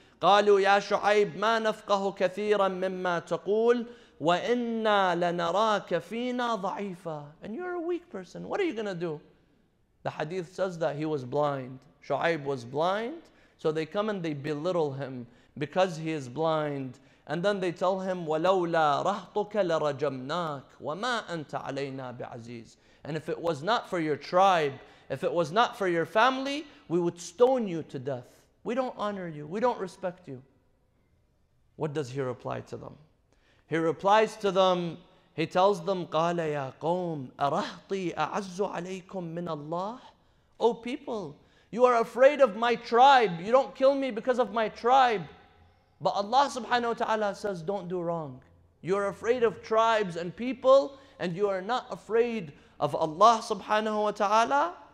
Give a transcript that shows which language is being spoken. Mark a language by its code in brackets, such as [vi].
[ar] قَالُوا يَا شُعَيْبْ مَا نَفْقَهُ كَثِيرًا مِمَّا تَقُولُ وَإِنَّا لَنَرَاكَ فِينَا ضَعِيفًا. [en] And you're a weak person. What are you going to do? The hadith says that he was blind. Shu'ayb was blind. So they come and they belittle him because he is blind. And then they tell him, [ar] وَلَوْلَا رَهْطُكَ لَرَجَمْنَاكَ وَمَا أَنْتَ عَلَيْنَا بِعَزِيزٍ. [en] And if it was not for your tribe, if it was not for your family, we would stone you to death. We don't honor you. We don't respect you. What does he reply to them? He replies to them, he tells them, [ar] قَالَ يَا قَوْمْ أَرَهْطِي أَعَزُّ عَلَيْكُمْ مِنَ اللَّهِ. [en] Oh people, you are afraid of my tribe. You don't kill me because of my tribe. But Allah subhanahu wa ta'ala says, don't do wrong. You are afraid of tribes and people, and you are not afraid of Allah subhanahu wa ta'ala.